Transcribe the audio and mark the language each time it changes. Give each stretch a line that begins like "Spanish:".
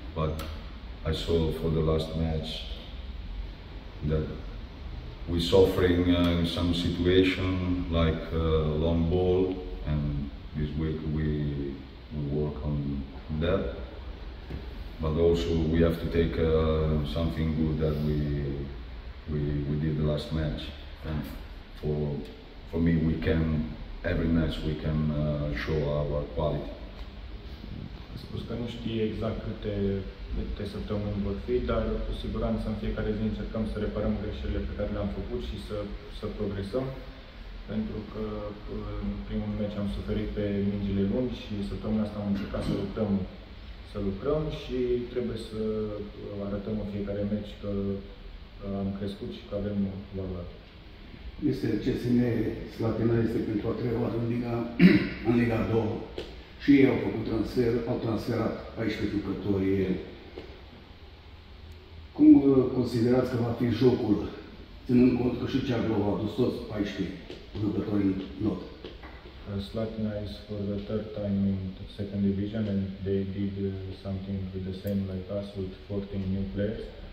English: But I saw for the last match that we suffering in some situation like long ball, and this week we work on that. But also we have to take something good that we did the last match. And for me, we can every match we can show our quality.
Romanian: Spus că nu știe exact câte săptămâni vor fi, dar cu siguranță în fiecare zi încercăm să reparăm greșelile pe care le-am făcut și să progresăm. Pentru că în primul meci am suferit pe mingile lungi și săptămâna asta am încercat să lucrăm și trebuie să arătăm în fiecare meci că am crescut și că avem valoare. Este CSM Slatina este pentru a treia oară în Liga 2. Și ei au făcut transfer, au transferat 14 jucători. Cum considerați că va fi jocul, ținând cont că și Ceaglou a adus toți 14 jucători în lot?
English: Slatina is for the third time in second division, and they did something with the same like us with 14 new players.